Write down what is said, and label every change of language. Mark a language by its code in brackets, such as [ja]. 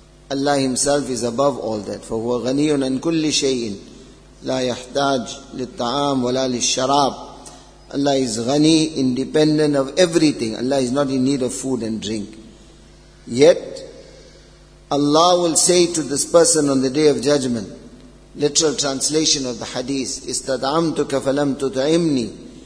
[en] Allah Himself is above all that. [ar] For هو غني عن كل شيء لا يحتاج للطعام ولا للشراب. [en] Allah is غني, independent of everything. Allah is not in need of food and drink. Yet Allah will say to this person on the day of judgment, literal translation of the hadith, [ar] استطعمتُكَ فَلَمْ تُطْعِمْنِي.